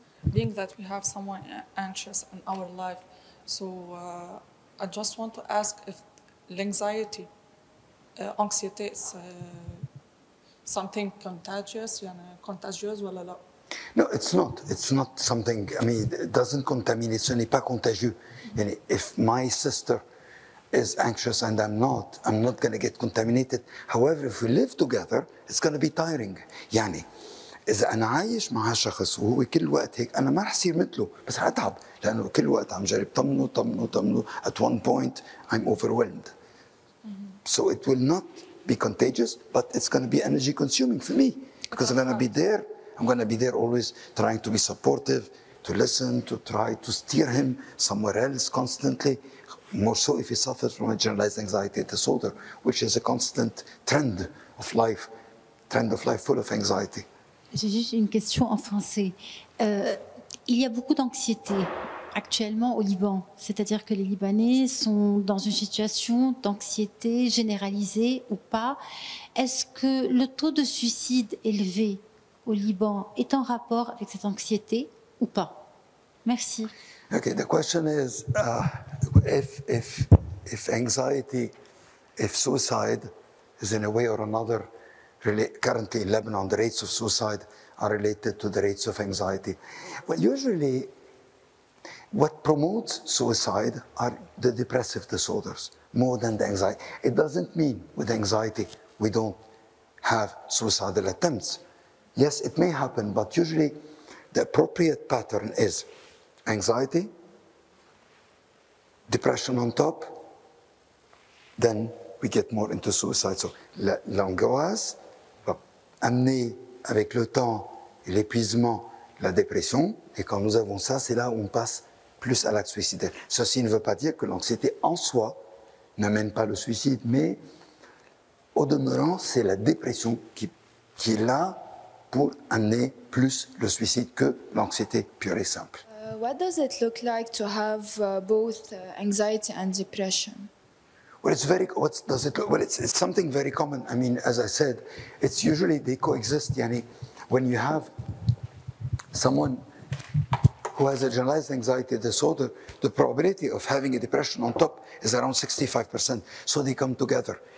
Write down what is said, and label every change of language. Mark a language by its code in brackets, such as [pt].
[en] Being that we have someone anxious in our life, so I just want to ask if anxiety, anxiety is something contagious, contagious, or not? No, it's not. It's not something, it doesn't contaminate, [fr] ce n'est pas contagieux. [en] If my sister is anxious and I'm not going to get contaminated. However, if we live together, it's going to be tiring. [ar] إذا أنا عايش مع شخص وهو كل وقت هيك أنا ما رح أصير مثله بس رح أتعب لأنه كل وقت عم جرب طمنه. [en] At one point, I'm overwhelmed. Mm-hmm. So it will not be contagious, but it's going to be energy consuming for me, because I'm going to be there. I'm going to be there always trying to be supportive, to listen, to try to steer him somewhere else constantly, more so if he suffers from a generalized anxiety disorder, which is a constant trend of life full of anxiety. [fr] J'ai juste une question en français. Il y a beaucoup d'anxiété actuellement au Liban, c'est-à-dire que les Libanais sont dans une situation d'anxiété généralisée ou pas. Est-ce que le taux de suicide élevé au Liban est en rapport avec cette anxiété ou pas? Merci. [en] Okay, the question is if anxiety, if suicide is in a way or another currently in Lebanon, the rates of suicide are related to the rates of anxiety. Well, usually what promotes suicide are the depressive disorders more than the anxiety. It doesn't mean with anxiety we don't have suicidal attempts. Yes, it may happen, but usually the appropriate pattern is anxiety, depression on top, then we get more into suicide. [fr] So l'angoisse, amener avec le temps l'épuisement, la dépression, et quand nous avons ça, c'est là où on passe plus à l'acte suicidaire. Ceci ne veut pas dire que l'anxiété en soi n'amène pas le suicide, mais au demeurant, c'est la dépression qui est là pour amener plus le suicide que l'anxiété pure et simple. [en] What does it look like to have both anxiety and depression? Well, it's very, what does it look, well, it's something very common. I mean, as I said, it's usually they coexist. Yani, when you have someone who has a generalized anxiety disorder, the probability of having a depression on top is around 65%. So they come together.